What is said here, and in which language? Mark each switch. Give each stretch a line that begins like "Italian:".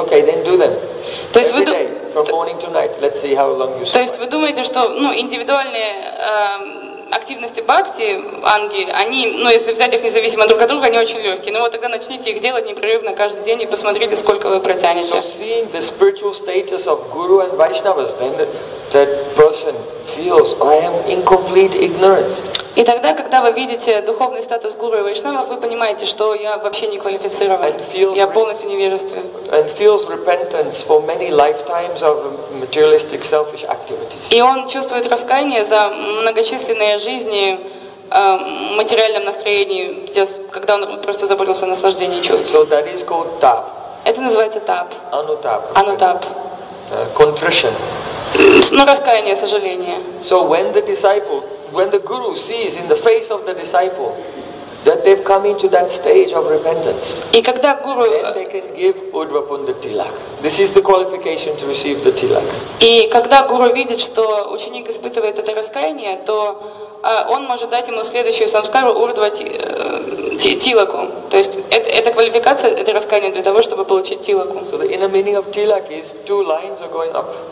English: Okay, then do them.
Russian: То есть
English: every day, from morning to night. Let's see how long you.
Russian: То есть вы думаете, что ну индивидуальные активности бхакти, анги, они, ну, если взять их независимо друг от друга, они очень легкие. Ну, вот тогда начните их делать непрерывно каждый день и посмотрите, сколько вы протянете.
English: So seeing the spiritual status of guru and vaishnavas, then that person feels, I am in complete ignorance.
Russian: И тогда, когда вы видите духовный статус гуру и вайшнавов, вы понимаете, что я вообще не квалифицирован, я полностью невежествен.
English: And feels repentance for many lifetimes of materialistic selfish activities.
Russian: И он чувствует раскаяние за многочисленные жизни материальном настроении, где, когда он просто заботился о наслаждении чувств.
English: So that is called tap.
Russian: Это называется тап. Анутап. Анутап.
English: Contrition.
Russian: Ну, раскаяние, сожаление.
English: So when the disciple, when the guru sees in the face of the disciple that they've come into that stage of repentance,
Russian: и когда гуру,
English: then they can give Udvapunda Tilak. This is the qualification to receive the Tilak.
Russian: И когда гуру видит, что ученик испытывает это раскаяние, то он может дать ему следующую санскару Урдва Тилаку. То есть это квалификация, это раскаяние для того, чтобы получить Тилаку.
English: So the inner meaning of Tilak is two lines are going up.